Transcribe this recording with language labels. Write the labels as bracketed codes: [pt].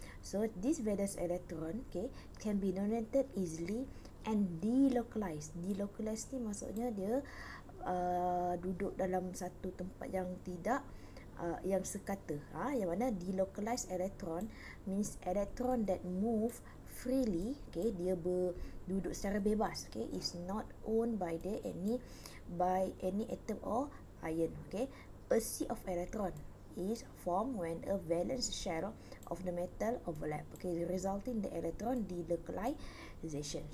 [en] So this valence electron, can be donated easily and delocalized. [ms] Delocalized ni maksudnya dia duduk dalam satu tempat yang tidak yang sekata. Yang mana [en] delocalized electron means electron that move freely, [ms] dia duduk secara bebas, [en] is not owned by the any atom or ion, A sea of electron is formed when a valence shell of the metal overlap, resulting the electron delocalization.